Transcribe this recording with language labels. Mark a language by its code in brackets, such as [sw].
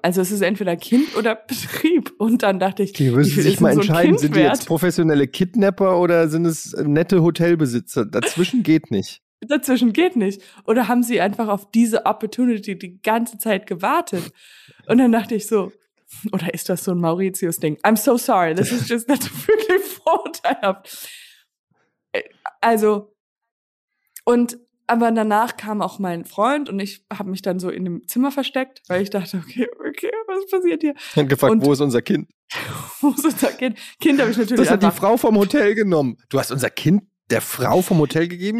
[de] Also es ist entweder Kind oder Betrieb. Und dann dachte ich, die müssen sich mal entscheiden, sind die jetzt professionelle Kidnapper oder sind es nette Hotelbesitzer? Dazwischen geht nicht. Dazwischen geht nicht. Oder haben sie einfach auf diese Opportunity die ganze Zeit gewartet? Und dann dachte ich so, oder ist das so ein Mauritius-Ding? [en] I'm so sorry, this is just not really vorteilhaft. [de] Also, und aber danach kam auch mein Freund und ich habe mich dann so in dem Zimmer versteckt, weil ich dachte, okay, was passiert hier? Ich habe gefragt, wo ist unser Kind? Wo ist unser Kind? Kind habe ich natürlich das hat die Frau vom Hotel genommen. Du hast unser Kind der Frau vom Hotel gegeben?